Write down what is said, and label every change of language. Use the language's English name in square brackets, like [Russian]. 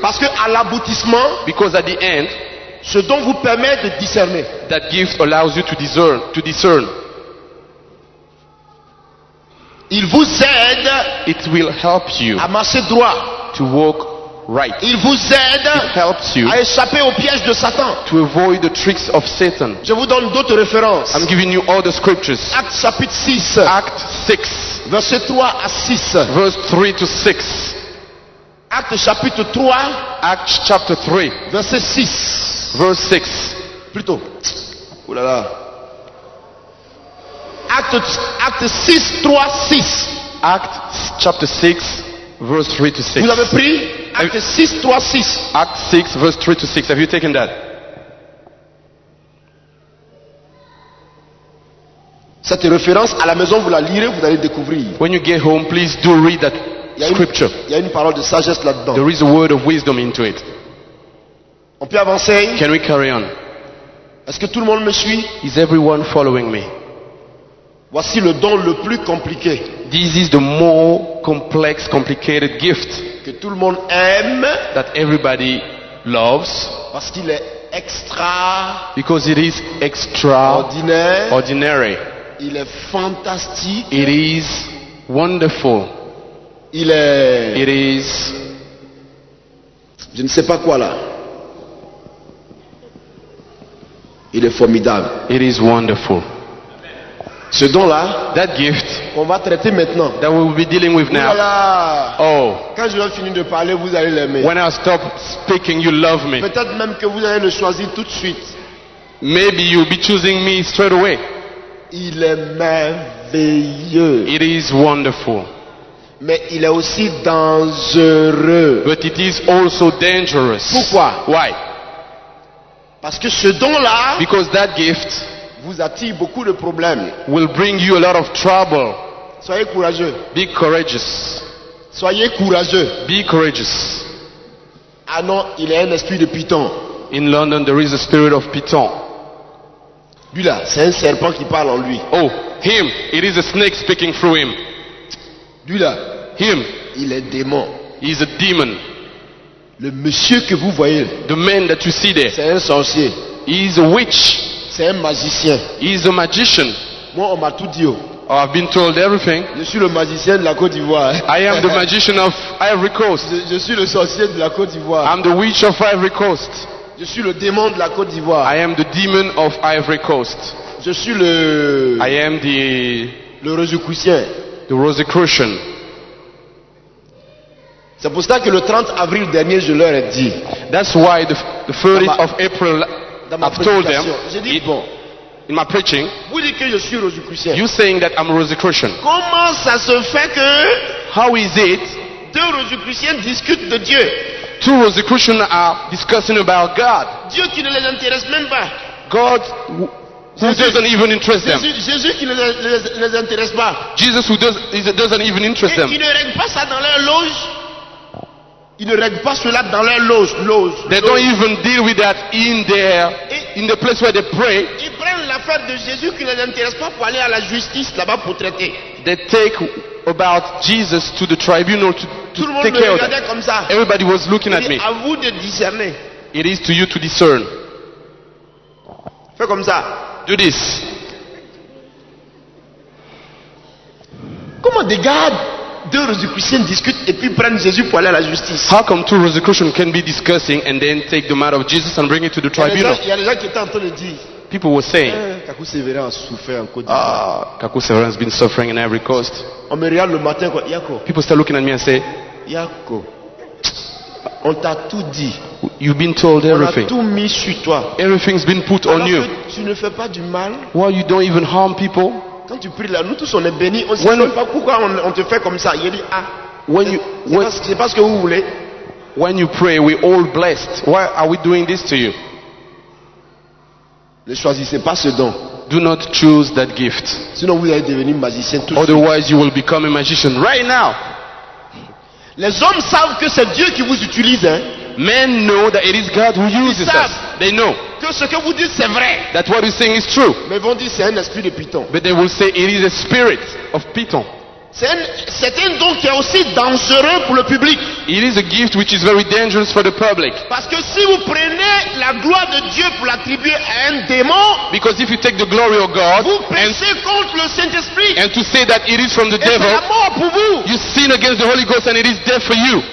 [French] Parce que à l'aboutissement, [English] because at the end, [French] ce don vous permet de discerner, [English] that gift allows you to discern. [French] Il vous aide, [English] it will help you, [French] à marcher droit, [English] to walk right. [French] Il vous aide, [English] it helps you, [French] à échapper aux pièges de Satan, [English] to avoid the tricks of Satan. [French] Je vous donne d'autres références. [English] I'm giving you all the scriptures. [French] Acte chapitre 6. [English] Act 6. [French] Verset 3 à 6. [English] Verse 3 to 6. [French] Acte chapitre 3. [English] Acte chapter 3. [French] Verset 6. [English] Verse 6. [French] Plutôt. Ouh là là. Acte 6, 3, 6. [English] Acte chapter 6. Verse 3 to 6. [French] Vous avez pris? Acte 6, 3, 6. [English] Acte 6, verse 3 to 6. Have you taken that? [French] Cette référence à la maison, vous la lirez, vous allez découvrir. [English] When you get home, please do read that scripture. [French] Il y a une parole de sagesse là-dedans. [English] There is a word of wisdom into it. [French] On peut avancer? [English] Can we carry on? [French] Est-ce que tout le monde me suit? [English] Is everyone following me? [French] Voici le don le plus compliqué. [English] This is the more complex, complicated gift. [French] Que tout le monde aime. [English] That everybody loves. [French] Parce qu'il est extra. [English] Because it is extra. [French] Ordinaire. [English] Ordinary. [French] Il est fantastique. [English] It is wonderful. [French] Il est. [English] It is. [French] Je ne sais pas quoi là. Il est formidable. [English] It is wonderful. [French] Ce don là, [English] that gift, [French] qu'on va traiter maintenant, [English] that we will be dealing with now. [French] Voilà. Oh. Quand je vais finir de parler, vous allez l'aimer. [English] When I stop speaking, you love me. [French] Peut-être même que vous allez le choisir tout de suite. [English] Maybe you'll be choosing me straight away. [French] Il est merveilleux. [English] It is wonderful. [French] Mais il est aussi dangereux. [English] But it is also dangerous. [French] Pourquoi? [English] Why? [French] Parce que ce don là, [English] because that gift, [French] vous attire beaucoup de problèmes. [English] Will bring you a lot of trouble. [French] Soyez courageux. [English] Be courageous. [French] Soyez courageux. [English] Be courageous. [French] Ah non, il est un esprit de python. [English] In London, there is a spirit of python. [French] Lui là, c'est un serpent qui parle en lui. [English] Oh, him, it is a snake speaking through him. [French] Lui là, [English] him, [French] il est démon. [English] He is a demon. [French] Le monsieur que vous voyez, [English] the man that you see there, [French] c'est un sorcier. [English] He is a witch. [French] C'est un magicien. [English] He is a magician. [French] Moi, on m'a tout dit. [English] Oh, I've been told everything. [French] Je suis le magicien de la Côte d'Ivoire. [English] I am the magician of Ivory Coast. [French] Je suis le sorcier de la Côte d'Ivoire. [English] I'm the witch of Ivory Coast. [French] Je suis le démon de la Côte d'Ivoire. [English] I am the demon of Ivory Coast. [French] Je suis le. [English] I am the. [French] Le Rosicrucien. [English] The Rosicrucian. [French] C'est pour ça que le 30 avril dernier, je leur ai dit. [English] That's why the 30th of April. I've told them, [French] dit, bon, [English] in my preaching, [French] vous dites que je suis Rosicrucien. [English] You're saying that I'm a Rosicrucian. [French] Comment ça se fait que, [English] how is it, [French] deux Rosicruciens discutent de Dieu? [English] Two Rosicrucians are discussing about God. [French] Dieu qui ne les intéresse même pas. [English] God who Jesus, doesn't even interest Jesus, them. [French] Jésus qui ne les intéresse pas. [English] Jesus who doesn't even interest [French] et [English] them. [French] Ils ne règlent pas ça dans leur loge. Ils ne règlent pas cela dans leur loge. [English] They don't even deal with that in their in the place where they pray. [French] Ils prennent l'affaire de Jésus qui ne les intéresse pas pour aller à la justice là-bas pour traiter. [English] They take about Jesus to the tribunal to [French] tout le monde [English] take care of [French] that. Comme ça. [English] Everybody was looking [French] il [English] at me. [French] À vous de discerner. [English] It is to you to discern. [French] Fais comme ça. [English] Do this. [French] Comment des gardes? Deux Rosicruciens discutent et puis prennent Jésus pour aller à la justice. [English] How come two Rosicrucians can be discussing and then take the matter of Jesus and bring it to the tribunal? [French] Il y a des gens qui étaient en train de dire. [English] People were saying. [French] Kaku Severin a souffert en Côte d'Ivoire. [English] Ah, Kaku Severin has been suffering in every coast. [French] On me regarde le matin quoi, Yako. [English] People start looking at me and say, [French] Yako, on t'a tout dit. [English] You've been told everything. [French] On a tout mis sur toi. [English] Everything's been put [French] alors [English] on you. [French] Tu ne fais pas du mal. [English] Why you don't even harm people? [French] Quand tu pries là, nous tous on est bénis. On ne sait pas pourquoi on te fait comme ça. Il dit ah. [English] When you [French] c'est pas ce que vous voulez. [English] When you pray, we all blessed. Why are we doing this to you? [French] Ne choisissez pas ce don. [English] Do not choose that gift. [French] Sinon vous allez devenir magicien tout de suite. [English] Otherwise you will become a magician right now. [French] Les hommes savent que c'est Dieu qui vous utilise. Hein? [English] Men know that it is God who uses [French] ils savent. [English] Us. They know. [French] Que ce que vous dites c'est vrai. [English] That what you're saying is true. [French] Mais vont dire c'est un esprit de python. [English] But they will say it is a spirit of python. [French] C'est un don qui est aussi dangereux pour le public. [English] It is a gift which is very dangerous for the public. [French] Parce que si vous prenez la gloire de Dieu pour l'attribuer à un démon. [English] Because if you take the glory of God. [French] Vous prêchez contre le Saint-Esprit. [English] And to say that it is from the [French] et [English] devil. [French] C'est la mort pour vous. [English] You sin against the Holy Ghost and it is death for you.